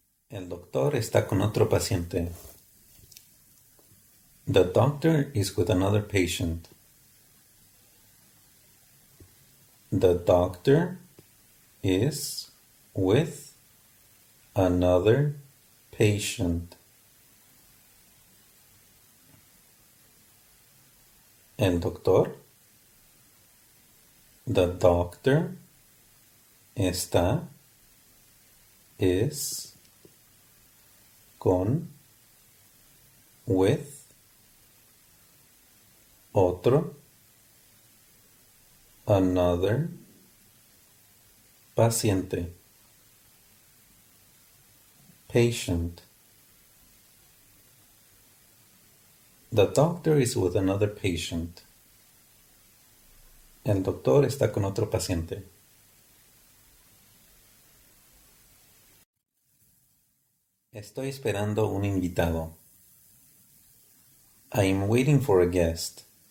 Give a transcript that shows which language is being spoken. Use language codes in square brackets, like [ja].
[es] El doctor está con otro paciente. [en] The doctor is with another patient. The doctor is with another patient. [es] El doctor. [en] The doctor [es] está [en] is [es] con [en] with [es] otro [en] another [es] paciente [en] patient. The doctor is with another patient. [es] El doctor está con otro paciente. Estoy esperando un invitado. [en] I am waiting for a guest.